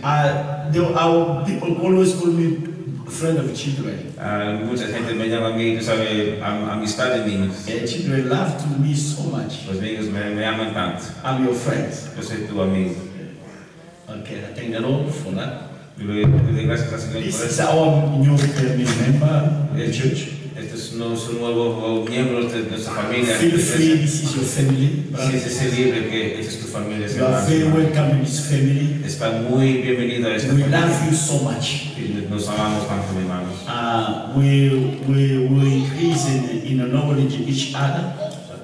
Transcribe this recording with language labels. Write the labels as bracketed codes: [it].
[en] Our people always call me friend of children. [es] Mucha gente me llama a mí, tú sabes, amistad de niños. [en] Yeah, children love to me so much. [es] Los niños me aman tanto. [en] I'm your friend. [es] Yo soy tu amigo. [en] Okay, I thank the Lord for that. [es] Le doy gracias al Señor. [en] This is our new member of the church. [es] Este es nuestro nuevo miembro de nuestra familia. [en] Feel free, this is your family. [es] Siéntese libre, que esta es tu familia. [en] You are very welcome in this family. [es] Está muy bienvenido a esta [en] we [es] familia. [en] We love you so much. [es] Nos amamos tanto, hermanos. [en] We increase in knowledge of each other.